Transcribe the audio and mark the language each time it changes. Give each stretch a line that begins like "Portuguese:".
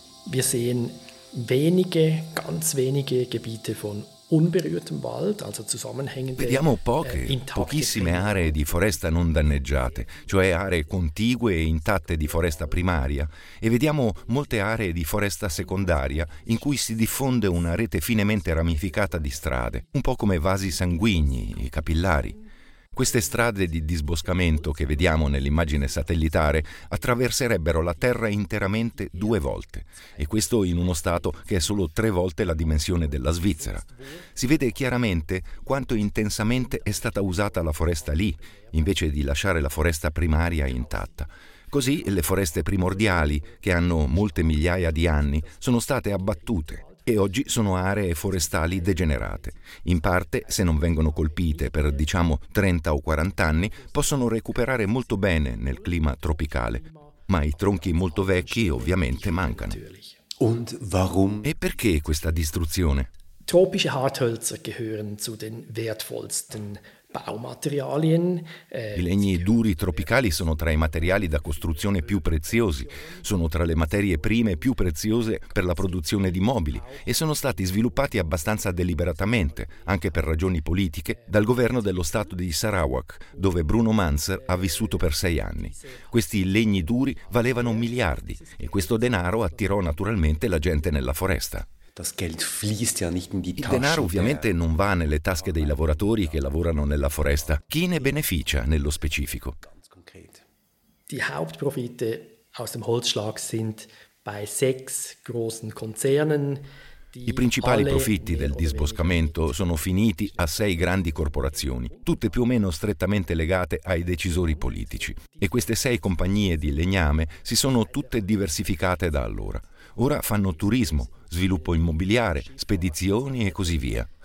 German: Wir sehen wenige, ganz wenige Gebiete von unberührtem Wald, also zusammenhängende.
Italian: Vediamo poche, pochissime aree di foresta non danneggiate, cioè aree contigue e intatte di foresta primaria, e vediamo molte aree di foresta secondaria in cui si diffonde una rete finemente ramificata di strade, un po' come vasi sanguigni, i capillari. Queste strade di disboscamento che vediamo nell'immagine satellitare attraverserebbero la Terra interamente due volte, e questo in uno stato che è solo tre volte la dimensione della Svizzera. Si vede chiaramente quanto intensamente è stata usata la foresta lì, invece di lasciare la foresta primaria intatta. Così le foreste primordiali, che hanno molte migliaia di anni, sono state abbattute. E oggi sono aree forestali degenerate. In parte, se non vengono colpite per, diciamo, 30 o 40 anni, possono recuperare molto bene nel clima tropicale. Ma i tronchi molto vecchi, ovviamente, mancano.
German: Und warum?
Italian: E perché questa distruzione?
German: Tropische Harthölzer gehören zu den wertvollsten Baumaterialien.
Italian: I legni duri tropicali sono tra i materiali da costruzione più preziosi, sono tra le materie prime più preziose per la produzione di mobili e sono stati sviluppati abbastanza deliberatamente, anche per ragioni politiche, dal governo dello stato di Sarawak, dove Bruno Manzer ha vissuto per 6 anni. Questi legni duri valevano miliardi e questo denaro attirò naturalmente la gente nella foresta. Il denaro ovviamente non va nelle tasche dei lavoratori che lavorano nella foresta. Chi ne beneficia nello specifico?
German: Die Hauptprofite aus dem Holzschlag sind bei 6 großen Konzernen.
Italian: I principali profitti del disboscamento sono finiti a 6 grandi corporazioni, tutte più o meno strettamente legate ai decisori politici. E queste 6 compagnie di legname si sono tutte diversificate da allora. Ora fanno turismo, sviluppo immobiliare, spedizioni e così via.